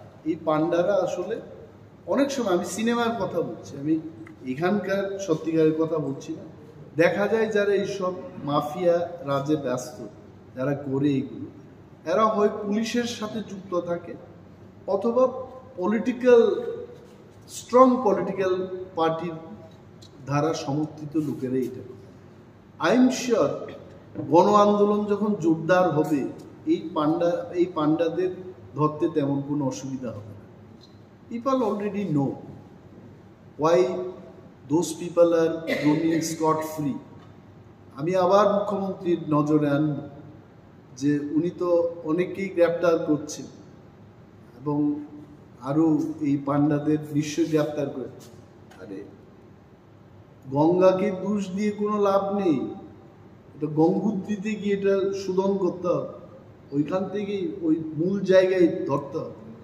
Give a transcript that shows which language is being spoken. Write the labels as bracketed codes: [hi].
[bn] এই পান্ডারা আসলে অনেক সময়, আমি সিনেমার কথা বলছি, আমি এখানকার সত্যিকারের কথা বলছি না, দেখা যায় যারা এইসব মাফিয়া রাজে ব্যস্ত যারা করে এগুলো, এরা হয় পুলিশের সাথে যুক্ত থাকে অথবা পলিটিক্যাল স্ট্রং পলিটিক্যাল পার্টির দ্বারা সমর্থিত লোকেরা এটা করে। [en] I am sure [bn] গণ আন্দোলন যখন জোরদার হবে, এই পাণ্ডাদের ধরতে তেমন কোনো অসুবিধা হবে না। [en] People already know why those people are running scot free. [bn] আমি আবার মুখ্যমন্ত্রীর নজরে আনব যে উনি তো অনেককেই গ্রেপ্তার করছেন এবং আরও এই পাণ্ডাদের নিশ্চয় গ্রেপ্তার করে। আরে গঙ্গাকে দোষ দিয়ে কোনো লাভ নেই, এটা গঙ্গোত্রীতে গিয়ে এটা শোধন করতে হবে, ওইখান থেকেই ওই মূল জায়গায় ধরতে হবে।